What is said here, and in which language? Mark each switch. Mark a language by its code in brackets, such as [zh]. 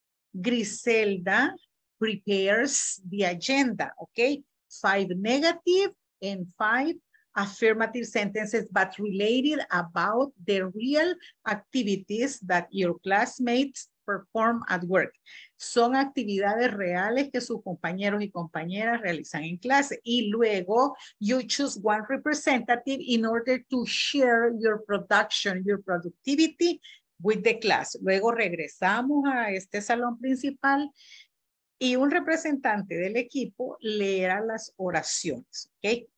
[en] Griselda prepares the agenda, okay? 5 negative and 5 affirmative sentences, but related about the real activities that your classmates perform at work. [es] Son actividades reales que sus compañeros y compañeras realizan en clase. Y luego, [en] you choose one representative in order to share your production, your productivity, with the class. [es] Luego regresamos a este salón principal y un representante del equipo leerá las oraciones, okay?